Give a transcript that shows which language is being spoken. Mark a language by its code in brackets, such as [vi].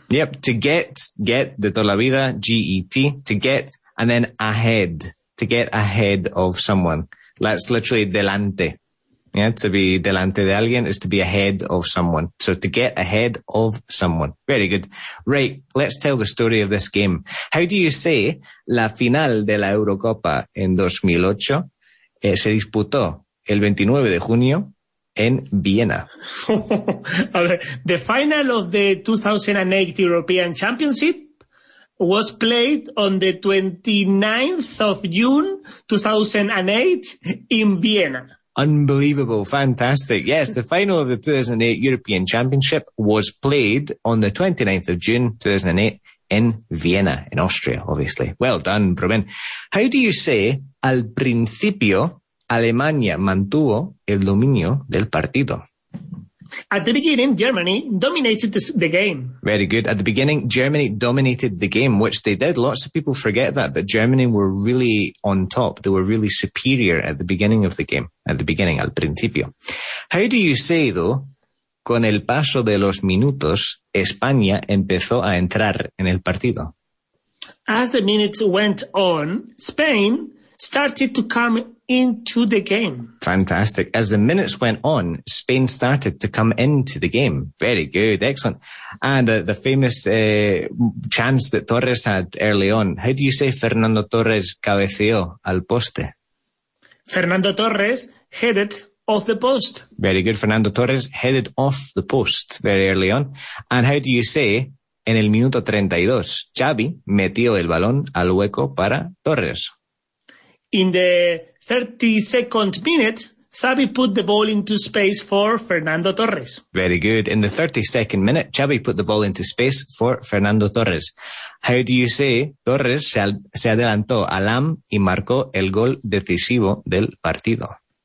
[en] Yep. To get [es] de toda la vida, [en] G-E-T. To get, and then ahead. To get ahead of someone. That's literally delante. Yeah, to be [es] delante de alguien [en] is to be ahead of someone. So to get ahead of someone. Very good. Right, let's tell the story of this game. How do you say [es] la final de la Eurocopa en 2008 se disputó el 29 de junio en Viena? A ver, [en] the final of the 2008 European Championship was played on the 29th of June 2008 in Vienna. Unbelievable. Fantastic. Yes, the final of the 2008 European Championship was played on the 29th of June 2008 in Vienna, in Austria, obviously. Well done, Rubén. How do you say, [es] al principio, Alemania mantuvo el dominio del partido? [en] At the beginning, Germany dominated the game. Very good. At the beginning, Germany dominated the game, which they did. Lots of people forget that, but Germany were really on top. They were really superior at the beginning of the game, at the beginning, [es] al principio. [en] How do you say, though, [es] con el paso de los minutos, España empezó a entrar en el partido? [en] As the minutes went on, Spain started to come into the game. Fantastic. As the minutes went on, Spain started to come into the game. Very good. Excellent. And the famous chance that Torres had early on. How do you say [es] Fernando Torres cabeceó al poste? [en] Fernando Torres headed off the post. Very good. Fernando Torres headed off the post very early on. And how do you say [es] en el minuto 32, Xavi metió el balón al hueco para Torres? [en] In the 32nd minute, Xavi put the ball into space for Fernando Torres. Very good. In the 32nd minute, Xavi put the ball into space for Fernando Torres. How do you say [es] Torres se adelantó a Lam y marcó el gol decisivo del partido?